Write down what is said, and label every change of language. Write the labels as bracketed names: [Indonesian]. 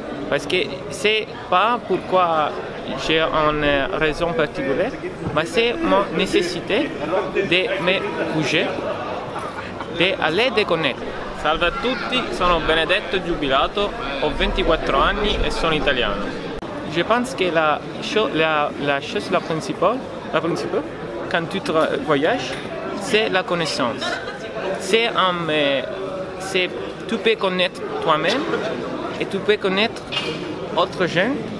[French] Parce que c'est pas pourquoi j'ai une raison particulière, mais c'est ma nécessité de me bouger, d'aller déconnecter. [Italian] Salve a tutti, sono Benedetto Giubilato, ho 24 anni e sono italiano. [French] Je pense que la chose principale, quand tu voyages, c'est la connaissance. Tu peux connaître toi-même et tu peux connaître autres gens.